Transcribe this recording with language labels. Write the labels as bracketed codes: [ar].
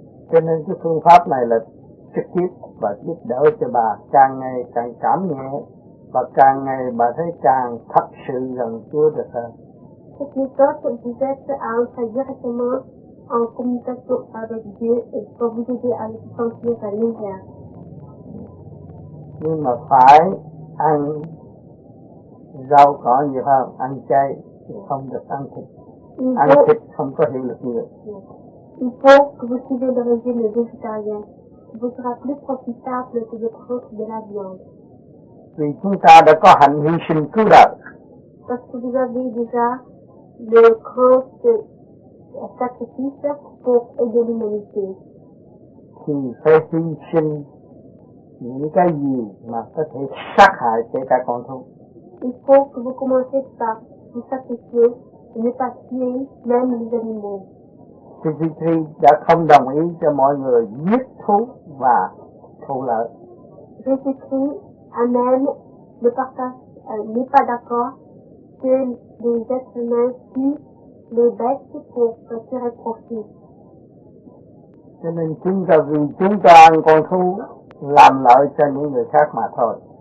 [vi] Cho nên cái phương pháp này là trực tiếp và giúp đỡ cho bà càng ngày càng cảm nhẹ và càng ngày bà thấy càng thật sự gần Chúa được hơn. [fr] Cette méthode vous aide à entrer directement en communication avec Dieu et pour vous aider à le sentir à l'intérieur. [vi] Nhưng mà phải ăn rau cỏ nhiều hơn, ăn chay không được ăn thịt. Ăn thịt không có hiệu lực nhiều. [fr] Il faut que vous suivez le régime végétarien. Ce sera plus profitable que de prendre de la viande. [vi] Vì chúng ta đã có hành hy sinh cứu đời. [fr] Parce que vous avez déjà le grand sacrifice pour aider l'humanité. [vi] Thì phải hy sinh những cái gì mà có thể sát hại kể cả con thú. [fr] Il faut que vous commencez par vous sacrifier et ne pas tuer même les animaux. [vi] CCT đã không đồng ý cho mọi người giết thú và thu lợi. [fr] CCT anh ne n'est pas d'accord que les êtres humains tuent les bêtes pour se tirer profit. [vi] Cho nên chúng ta vì chúng ta ăn con thú làm lợi cho những người khác mà thôi.